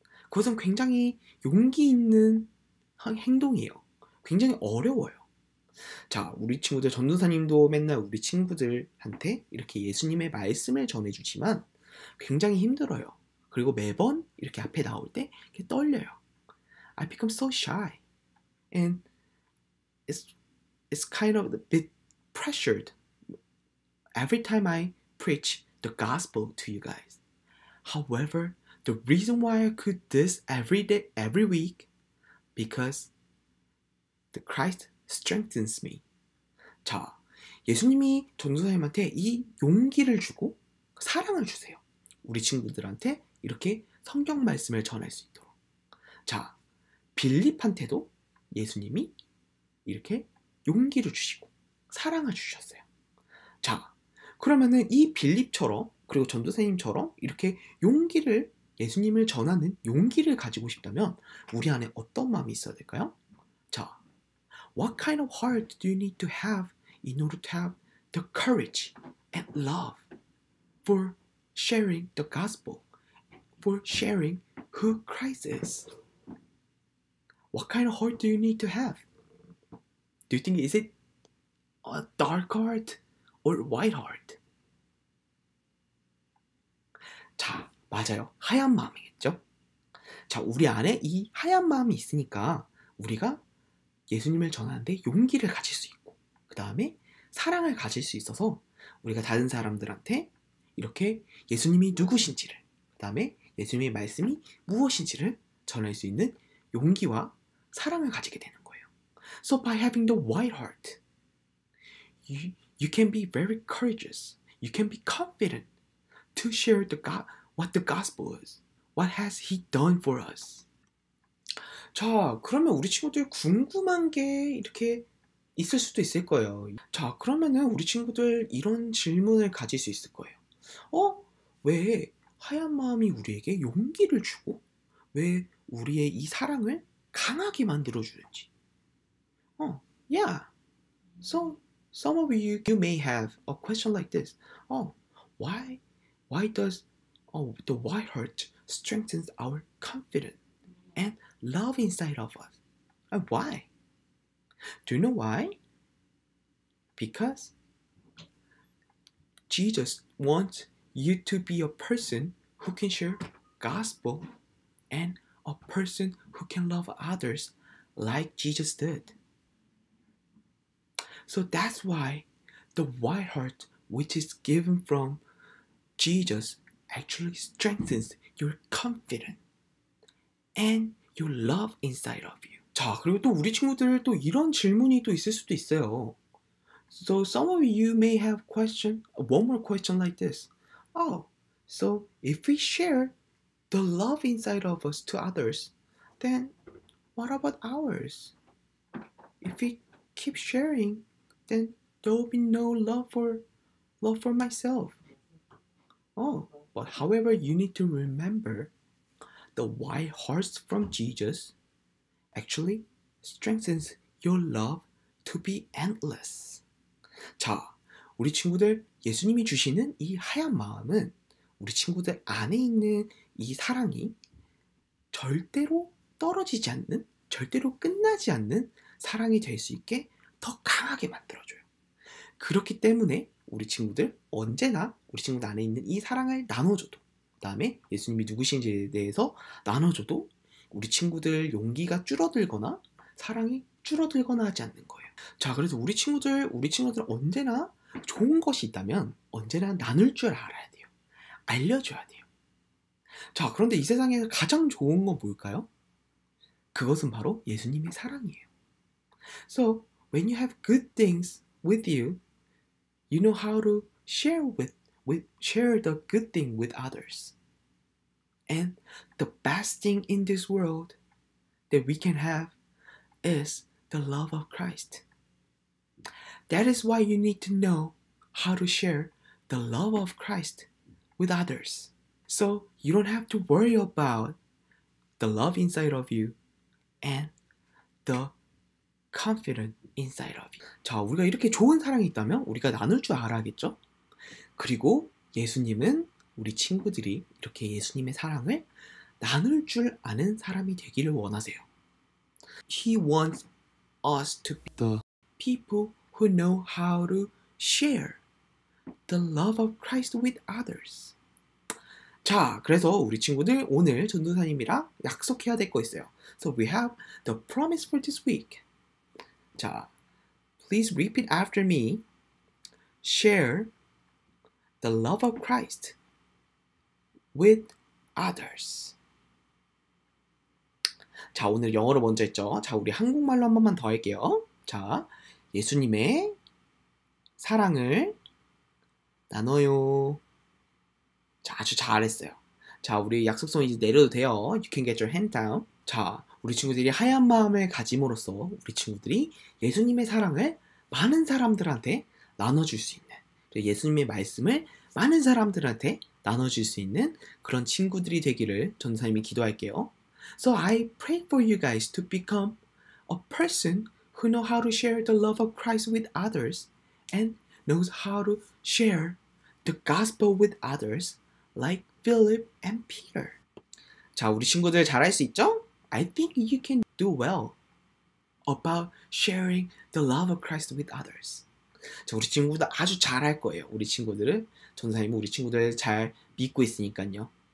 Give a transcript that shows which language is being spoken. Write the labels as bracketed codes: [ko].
[ko] 그것은 굉장히 용기 있는 행동이에요. 굉장히 어려워요. 자, 우리 친구들 전도사님도 맨날 우리 친구들한테 이렇게 예수님의 말씀을 전해주지만 굉장히 힘들어요. 그리고 매번 이렇게 앞에 나올 때 이렇게 떨려요. [en] I become so shy. And it's kind of a bit pressured every time I preach the gospel to you guys. However, the reason why I could do this every day, every week, because the Christ strengthens me. [ko] 자, 예수님이 전도사님한테 이 용기를 주고 사랑을 주세요. 우리 친구들한테 이렇게 성경 말씀을 전할 수 있도록. 자, 빌립한테도 예수님이 이렇게 용기를 주시고 사랑을 주셨어요. 자, 그러면은 이 빌립처럼 그리고 전도사님처럼 이렇게 용기를 예수님을 전하는 용기를 가지고 싶다면 우리 안에 어떤 마음이 있어야 될까요? [en] 자, What kind of heart do you need to have in order to have the courage and love for sharing the gospel, for sharing who Christ is? What kind of heart do you need to have? Do you think is it a dark heart or white heart? [ko] 자, 맞아요. 하얀 마음이겠죠? 자, 우리 안에 이 하얀 마음이 있으니까 우리가 예수님을 전하는데 용기를 가질 수 있고, 그 다음에 사랑을 가질 수 있어서 우리가 다른 사람들한테 이렇게 예수님이 누구신지를, 그 다음에 예수님의 말씀이 무엇인지를 전할 수 있는 용기와 사랑을 가지게 되는 거예요. [en] So by having the white heart, you can be very courageous. You can be confident to share the God, what the gospel is. What has he done for us? [ko] 자, 그러면 우리 친구들 궁금한 게 이렇게 있을 수도 있을 거예요. 자, 그러면은 우리 친구들 이런 질문을 가질 수 있을 거예요. 어? 왜 하얀 마음이 우리에게 용기를 주고 왜 우리의 이 사랑을 강하게 만들어주는지. 어, yeah. [en] So, some of you may have a question like this. Why does the white heart strengthens our confidence and love inside of us? And why? Do you know why? Because Jesus wants you to be a person who can share gospel and a person who can love others like Jesus did. So that's why the white heart which is given from Jesus actually strengthens your confidence and your love inside of you. [ko] 자, 그리고 또 우리 친구들 또 이런 질문이 또 있을 수도 있어요. [en] So some of you may have question, one more question like this. Oh, so if we share the love inside of us to others, then what about ours? If we keep sharing, then there will be no love for myself. Oh, but however, you need to remember the white heart from Jesus actually strengthens your love to be endless. [ko] 자, 우리 친구들 예수님이 주시는 이 하얀 마음은 우리 친구들 안에 있는 이 사랑이 절대로 떨어지지 않는, 절대로 끝나지 않는 사랑이 될 수 있게 더 강하게 만들어줘요. 그렇기 때문에 우리 친구들 언제나 우리 친구들 안에 있는 이 사랑을 나눠줘도, 그 다음에 예수님이 누구신지에 대해서 나눠줘도 우리 친구들 용기가 줄어들거나 사랑이 줄어들거나 하지 않는 거예요. 자, 그래서 우리 친구들 언제나 좋은 것이 있다면 언제나 나눌 줄 알아야 돼요. 알려줘야 돼요. 자, 그런데 이 세상에서 가장 좋은 건 뭘까요? 그것은 바로 예수님의 사랑이에요. [en] So, when you have good things with you, you know how to share the good thing with others. And the best thing in this world that we can have is the love of Christ. That is why you need to know how to share the love of Christ with others. So you don't have to worry about the love inside of you and the confidence inside of you. [ko] 자, 우리가 이렇게 좋은 사랑이 있다면 우리가 나눌 줄 알아야겠죠? 그리고 예수님은 우리 친구들이 이렇게 예수님의 사랑을 나눌 줄 아는 사람이 되기를 원하세요. [en] He wants us to be the people who know how to share the love of Christ with others. [ko] 자, 그래서 우리 친구들 오늘 전도사님이랑 약속해야 될 거 있어요. [en] So we have the promise for this week. 자, please repeat after me. Share the love of Christ with others. [ko] 자, 오늘 영어로 먼저 했죠? 자, 우리 한국말로 한 번만 더 할게요. 자, 예수님의 사랑을 나눠요. 자, 아주 잘했어요. 자, 우리 약속성 이제 내려도 돼요. [en] You can get your hand down. [ko] 자, 우리 친구들이 하얀 마음을 가짐으로써 우리 친구들이 예수님의 사랑을 많은 사람들한테 나눠줄 수 있는, 예수님의 말씀을 많은 사람들한테 나눠줄 수 있는 그런 친구들이 되기를 전사님이 기도할게요. [en] So I pray for you guys to become a person who knows how to share the love of Christ with others and knows how to share the gospel with others like Philip and Peter. [ko] 자, 우리 친구들 잘할 수 있죠? [en] I think you can do well about sharing the love of Christ with others. [ko] 자, 우리 친구들 아주 잘할 거예요. 우리 친구들은 전사님은 우리 친구들 잘 믿고 있으니까요.